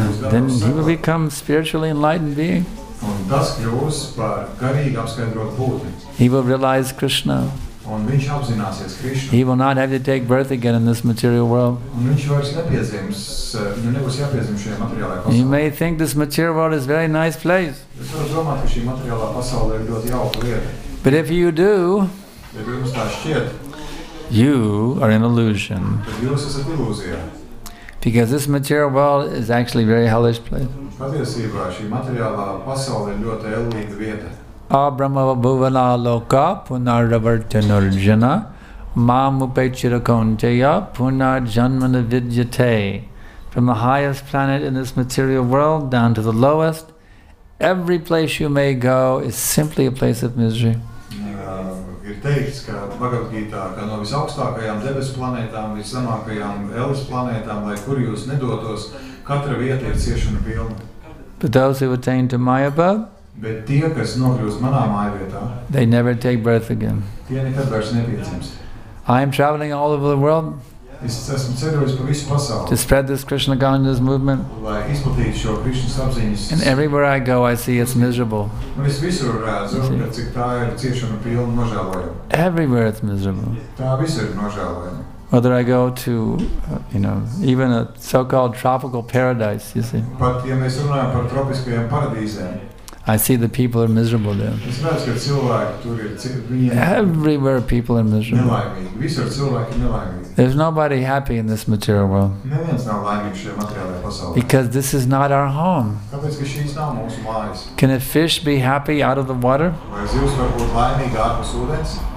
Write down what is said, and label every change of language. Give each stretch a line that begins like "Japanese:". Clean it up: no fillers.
English: Then he will become spiritually enlightened being.
Latvian: Un tas kļūs par garīgi apskaidrot būtni.
English: He will realize Krishna.
Latvian: Un viņš apzināsies Krishna.
English: He will not have to take birth again in this material world.
Latvian: Un viņš vairs nepiedzims, viņam nebūs jāpiedzima šajā materiālajā pasaulē.
English: You may think this material world is a very nice place.
Latvian: Es varu domāt, ka šī materiālā pasaulē ir ļoti jauka vieta.
English: But if you do,
Latvian: ja jums tā šķiet,
English: you are an illusion.
Latvian: Tad jūs esat ilūzijā.
English: Because this material world is actually a very hellish place.
Latvian: Patiesībā šī materiālā pasaule ir ļoti ellīga vieta.
Sanskrit: Abramava bhuvana loka punaravartan arjana mam upechira kaunteya punarjanmana vidyate.
English: From the highest planet in this material world down to the lowest, every place you may go is simply a place of misery.
Latvian: Ir teikts, ka Bhagavad Gītā, ka no visaugstākajām debes planētām, viszemākajām elves planētām, lai kur jūs nedotos, katra vieta ir ciešana pilna.
English: But those who attain to my above,
Latvian: bet tie, kas nokļūs manā mājvietā,
English: they never take birth again.
Latvian: Tie nekad vairs nepiedzims.
English: I am traveling all over the world.
Latvian: Es esmu ceļojis pa visu pasauli.
English: To spread this Krishna consciousness movement.
Latvian: Lai izplatītu šo Krishna apziņas.
English: And everywhere I go, I see it's miserable.
Latvian: Un es visur redzu, ka cik tā ir ciešana pilna nožēlojuma.
English: Everywhere it's miserable.
Latvian: Tā visur ir nožēlojuma.
English: Whether I go to, you know, even a so-called tropical paradise, you see.
Latvian: Pat, ja mēs runājam par tropiskajām paradīzēm,
English: I see the people are miserable there.
Latvian: Es redzu, ka cilvēki tur ir
English: everywhere people are miserable.
Latvian: Nelaimīgi. Visur cilvēki ir nelaimīgi.
English: There's nobody happy in this material world.
Latvian: Neviens nav laimīgs šajā materiālajā pasaulē.
English: Because this is not our home.
Latvian: Kāpēc, ka šīs nav mūsu mājas?
English: Can a fish be happy out of the water?
Latvian: Vai zivs var būt laimīga ārpus ūdens?